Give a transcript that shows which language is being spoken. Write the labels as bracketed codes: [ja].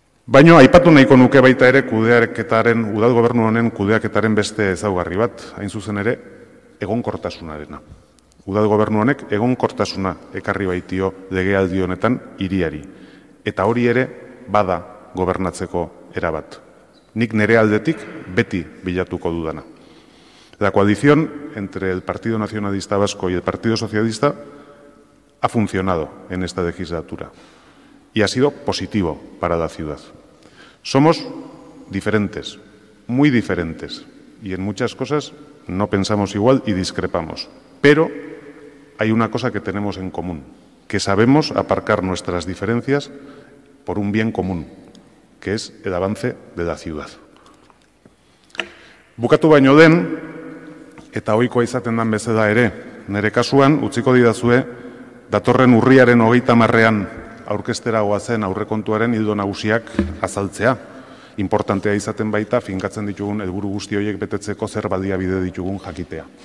[eu] Baino aipatu nahiko nuke baita ere kudeaketaren, udal gobernu honen kudeaketaren beste ezaugarri bat, hain zuzen ere, egonkortasunarena. Udal gobernu honek egonkortasuna ekarri baitio legealdi honetan hiriari. Eta hori ere, bada gobernatzeko erabat. Nik nere aldetik beti bilatuko dudana. [es] La coalición entre el Partido Nacionalista Vasco y el Partido Socialista ha funcionado en esta legislatura y ha sido positivo para la ciudad. Somos diferentes, muy diferentes, y en muchas cosas no pensamos igual y discrepamos. Pero hay una cosa que tenemos en común, que sabemos aparcar nuestras diferencias por un bien común, que es el avance de la ciudad. [eu] Bukatu baino den, eta ohikoa izaten den bezala ere, nire kasuan, utziko didazue, datorren urriaren 30ean aurkestera goazen aurrekontuaren ildo nagusiak azaltzea. Importantea izaten baita, finkatzen ditugun helburu guzti horiek betetzeko zer baliabide ditugun jakitea.